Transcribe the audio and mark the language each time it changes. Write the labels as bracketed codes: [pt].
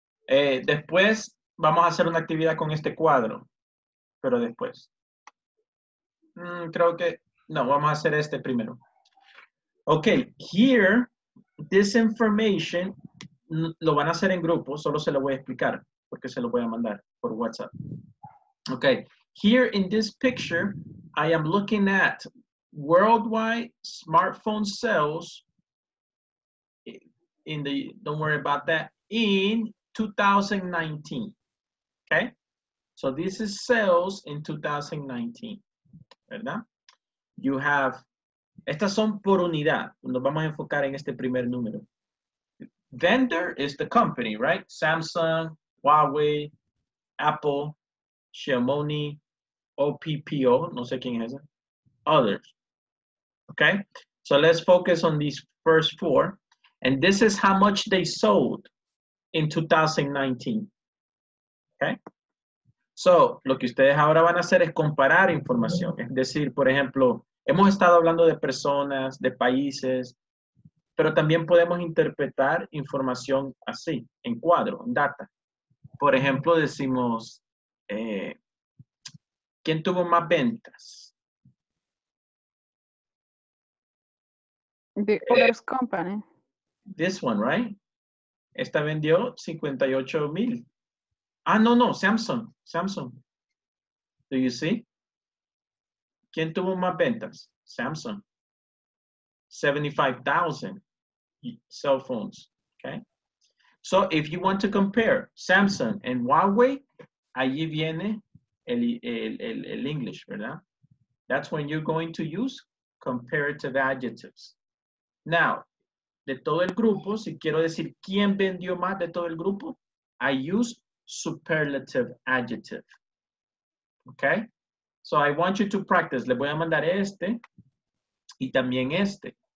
[es] Después vamos a hacer una actividad con este cuadro. Pero después. Creo que... No, vamos a hacer este primero. Okay. [en] Here, this information, [es] lo van a hacer en grupo. Solo se lo voy a explicar porque se lo voy a mandar por WhatsApp. [en] Okay. Here in this picture, I am looking at worldwide smartphone sales in the, don't worry about that, in 2019, okay? So this is sales in 2019, ¿verdad? You have, [es] estas son por unidad, nos vamos a enfocar en este primer número. [en] Vendor is the company, right? Samsung, Huawei, Apple, Xiaomi, OPPO, [es] no sé quién es, [en] others. Okay, so let's focus on these first four. And this is how much they sold in 2019. [es] Okay, so lo que ustedes ahora van a hacer es comparar información. Es decir, por ejemplo, hemos estado hablando de personas, de países, pero también podemos interpretar información así, en cuadro, en data. Por ejemplo, decimos, ¿quién tuvo más ventas? [en] The others company. This one, right? [es] Esta vendió 58,000. [en] Ah, no, no, Samsung. Samsung. Do you see? [es] ¿Quién tuvo más ventas? Samsung. 75,000 cell phones. Okay. [en] So if you want to compare Samsung and Huawei, [es] allí viene el English, ¿verdad? [en] That's when you're going to use comparative adjectives. [es] Now, de todo el grupo, si quiero decir quién vendió más de todo el grupo, [en] I use superlative adjective. Okay? So I want you to practice. [es] Le voy a mandar este y también este.